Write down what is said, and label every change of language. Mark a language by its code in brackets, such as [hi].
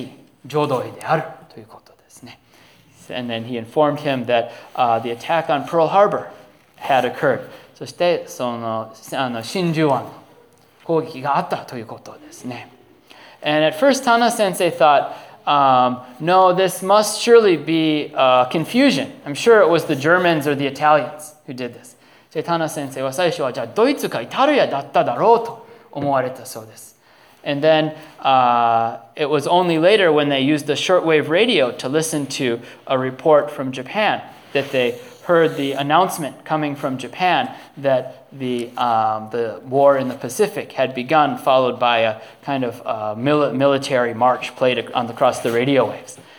[ja] そしてこれは記念すべき浄土会であるということですね。 [en] And then he informed him that the attack on Pearl Harbor had occurred. [ja] そしてその真珠湾の攻撃があったということですね。 [en] And at first, Tana-sensei thought, no, this must surely be confusion. I'm sure it was the Germans or the Italians who did this. [ja] Tana-senseiは最初はじゃあドイツかイタリアだっただろうと思われたそうです。 [en] And then it was only later when they used the shortwave radio to listen to a report from Japan that they heard the announcement coming from Japan that the war in the Pacific had begun, followed by a kind of military march played across the radio waves.